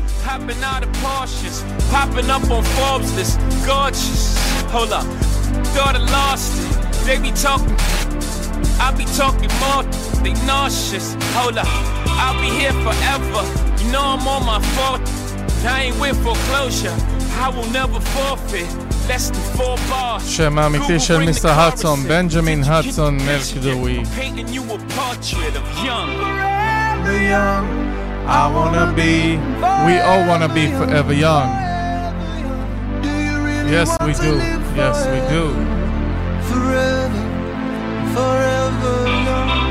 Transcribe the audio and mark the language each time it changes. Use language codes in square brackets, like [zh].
[en] Popping out of Porsches, popping up on Forbes, this gorgeous. Hold up, daughter lost it. They be talking, I be talking more. They nauseous. Hold up, I'll be here forever. You know I'm on my fault. I ain't with foreclosure. I will never forfeit. Less than four bars. [he] שם האמיתי של מיסטר הדסון, בנג'מין הדסון מלכדווי. [en] Painting you a portrait of young. Forever young. I wanna be, we all wanna be forever young. Do you really yes, we do. Yes, we do. Forever, forever young.